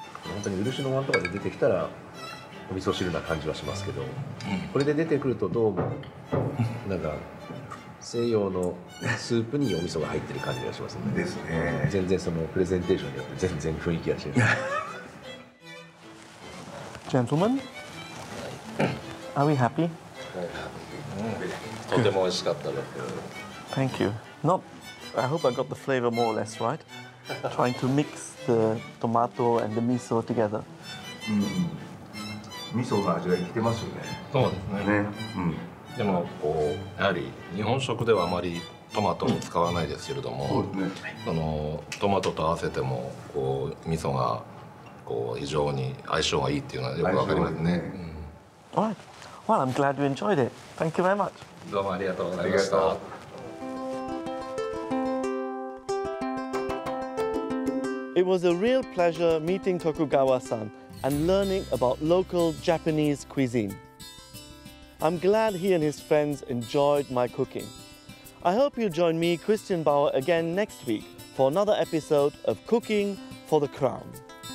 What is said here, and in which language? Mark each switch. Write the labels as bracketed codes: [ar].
[ja] 本当に漆の碗とかで出てきたらお味噌汁な感じはしますけど、うん、これで出てくるとどうもなんか西洋のスープにお味噌が入ってる感じがしますね。ですね。全然そのプレゼンテーションによって全然雰囲気が違う。 [en] Gentlemen, are we happy? [ja] とても美味しかったです。 [en] Thank you. Not, I hope I got the flavor more or less right. Trying to mix the tomato and the miso together. [ja] 味噌の味が生きてますよね。そうですね。ね。でもこうやはり日本食ではあまりトマトを使わないですけれども、うん、そうですね、あのトマトと合わせてもこう味噌がこう非常に相性がいいっていうのはよくわかりますね。 [en] はい。Well, I'm glad you enjoyed it. Thank you very much. [ja] どうもありがとうございました。 [en] It was a real pleasure meeting Tokugawa-san and learning about local Japanese cuisine. I'm glad he and his friends enjoyed my cooking. I hope you join me, Christian Bauer, again next week for another episode of Cooking for the Crown.